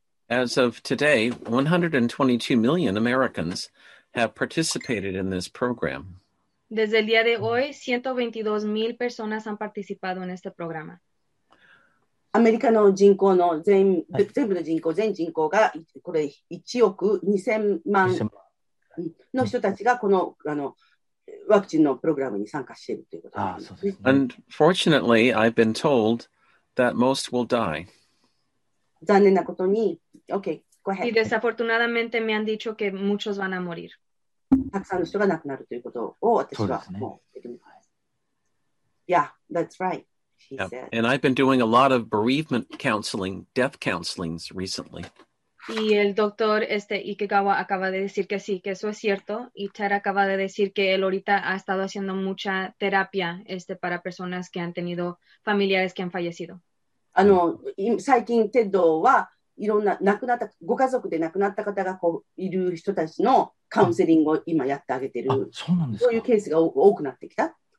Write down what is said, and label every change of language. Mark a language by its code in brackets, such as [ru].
[en] As of today, 122 million Americans have participated in this program. [es] Desde el día de hoy, 122 mil personas han participado en este programa. [ja] アメリカの人口の全部の人口、全人口がこれ1億2000万の人たちがこの、ワクチンのプログラムに参加しているということです。 [en] Unfortunately, I've been told that most will die. [ja] 残念なことに、 [en] okay, go ahead. [es] Y desafortunadamente me han dicho que muchos van a morir. [ja] たくさんの人が亡くなるということを私はもう言ってます。 [en] Yeah, that's right. Yep. And I've been doing a lot of bereavement counseling, death counselings recently. [es] Y el doctor Ikegawa acaba de decir que sí, que eso es cierto. Y Ted acaba de decir que él ahorita ha estado haciendo mucha terapia para personas que han tenido familiares que han fallecido. [ja] 最近 Ted はいろんな亡くなったご家族で亡くなった方がこういる人たちのカウンセリングを今やってあげてる。そうなんですか。そういうケースが多くなってきた。